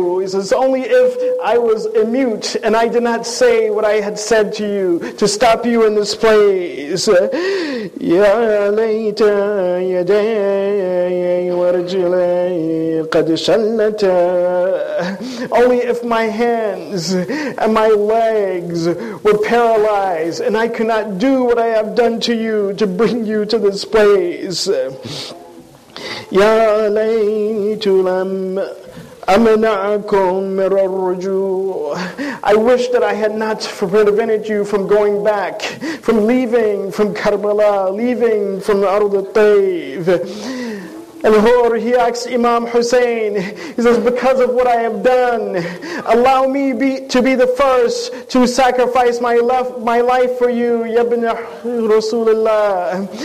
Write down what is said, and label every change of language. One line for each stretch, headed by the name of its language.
English: He says, only if I was a mute and I did not say what I had said to you to stop you in this place.
Arabic: يا ليت يداي ورجلي قد شلتا.
English: Only if my hands and my legs were paralyzed and I could not do what I have done to you to bring you to this place.
Arabic: يا ليت لم أمنعكم من الرجوع.
English: I wish that I had not prevented you from going back, from leaving from Karbala, leaving from Ard al-Tayf. And Hur, he asks Imam Hussein, he says, because of what I have done, allow me to be the first to sacrifice my life for you, Ibn Rasulullah.